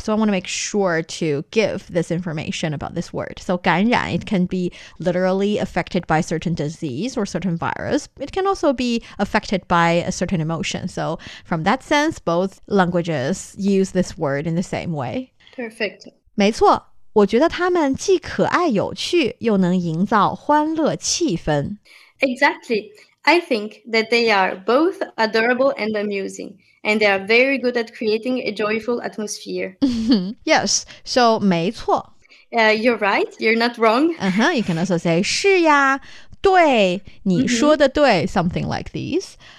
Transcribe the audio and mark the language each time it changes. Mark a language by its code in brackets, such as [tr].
[en] So I want to make sure to give this information about this word. So 感染, it can be literally affected by certain disease or certain virus. It can also be affected by a certain emotion. So from that sense, both languages use this word in the same way. Perfect. [zh] 没错, 我觉得他们既可爱有趣, 又能营造欢乐气氛。 [en] Exactly. I think that they are both adorable and amusing, and they are very good at creating a joyful atmosphere. Yes, so 没错。 You're right, you're not wrong. You can also say [zh] 是呀, 对,你说的对, [en] something like these.